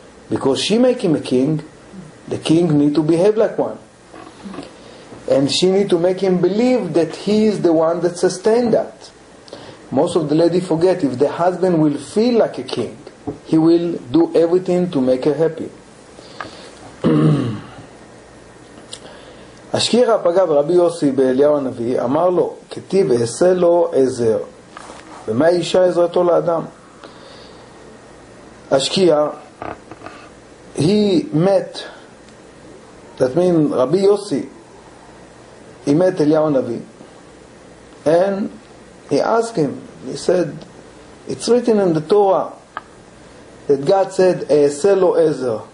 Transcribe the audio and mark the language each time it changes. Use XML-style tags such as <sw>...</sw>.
<en>Because she makes him a king, the king needs to behave like one. And she needs to make him believe that he is the one that sustains that. Most of the ladies forget, if the husband will feel like a king, he will do everything to make her happy.</en> <he>השכירה פגעה ברבי יוסי באליהו הנביא, אמר לו, כתיב אעשה לו עזר. ומה האישה עזרתו לאדם?</he> <en>השכירה, he met, that means רבי יוסי, he met אליהו הנביא, and he asked him, he said, it's written in the Torah, that God said,</en> <he>אעשה לו עזר.</he>